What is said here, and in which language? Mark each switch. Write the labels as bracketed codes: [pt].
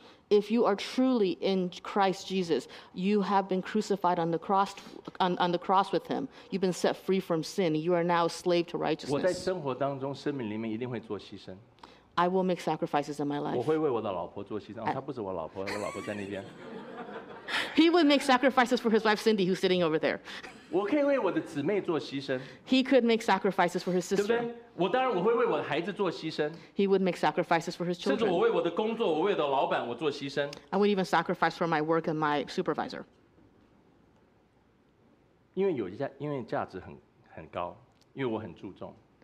[en] If you are truly in Christ Jesus, you have been crucified on the cross, on the cross with him. You've been set free from sin. You are now a slave to righteousness. [zh] 我在生活当中，生命里面一定会做牺牲。 [en] I will make sacrifices in my life. [zh] 我会为我的老婆做牺牲，她不是我老婆，我老婆在那边。 [en] He would make sacrifices for his wife Cindy, who's sitting over there. [zh] 我可以为我的姊妹做牺牲。 [en] He could make sacrifices for his sister. [zh] 对不对？我当然我会为我的孩子做牺牲。 [en] He would make sacrifices for his children. [zh] 甚至我为我的工作，我为我的老板，我做牺牲。 [en] I would even sacrifice for my work and my supervisor. [zh] 因为价值很高，因为我很注重。